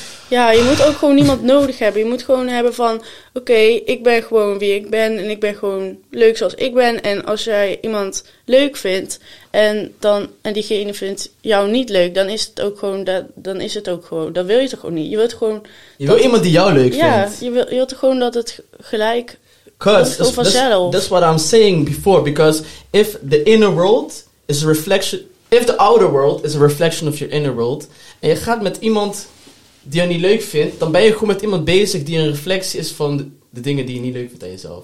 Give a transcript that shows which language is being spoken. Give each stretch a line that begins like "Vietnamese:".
Dutch: Ja, je moet ook gewoon niemand nodig hebben. Je moet gewoon hebben van, oké, ik ben gewoon wie ik ben en ik ben gewoon leuk zoals ik ben. En als jij iemand leuk vindt en diegene vindt jou niet leuk, dan is het ook gewoon, dat wil je toch gewoon niet. Je wilt gewoon... Je wil iemand die jou leuk vindt. Ja, je wilt gewoon dat het gelijk is of vanzelf.
English: That's what I'm saying before, because if the inner world is a reflection... If the outer world is a reflection of your inner world
Dutch: en je gaat met iemand... die je niet leuk vindt, dan ben je gewoon met iemand bezig die een reflectie is van de dingen die je niet leuk vindt aan jezelf.